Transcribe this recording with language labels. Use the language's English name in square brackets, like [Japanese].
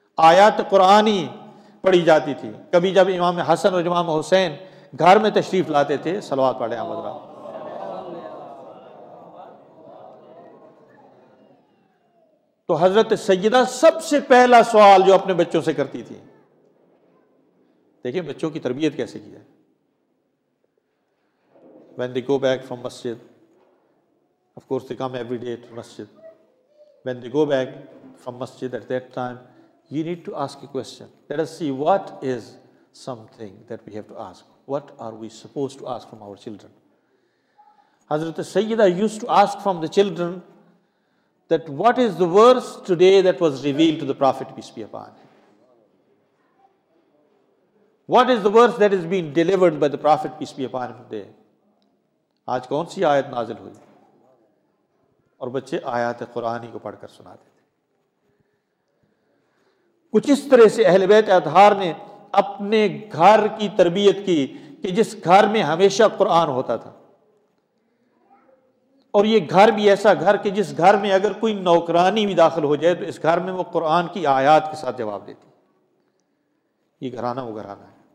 [Urdu] آیات قرآنی پڑھی جاتی تھی. کبھی جب امام حسن اور امام حسین گھر میں تشریف لاتے تھے, صلوات پڑھے آمد رہا, تو حضرت سیدہ سب سے پہلا سوال جو اپنے بچوں سے کرتی تھی, دیکھیں بچوں کی تربیت کیسے کی ہے. [English] When they go back from masjid, of course they come every day to masjid. When they go back from masjid at that time, you need to ask a question. Let us see what is something that we have to ask. What are we supposed to ask from our children? Hazrat Sayyida used to ask from the children that what is the verse today that was revealed to the Prophet, peace be upon him? What is the verse that is being delivered by the Prophet, peace be upon him, today? [Urdu] آج کون سی آیت نازل ہوئی, اور بچے آیات قرآن ہی کو پڑھ کر سنا دیتے. کچھ اس طرح سے اہل بیت اطہار نے اپنے گھر کی تربیت کی کہ جس گھر میں ہمیشہ قرآن ہوتا تھا, اور یہ گھر بھی ایسا گھر کہ جس گھر میں اگر کوئی نوکرانی بھی داخل ہو جائے تو اس گھر میں وہ قرآن کی آیات کے ساتھ جواب دیتی. یہ گھرانہ وہ گھرانہ ہے.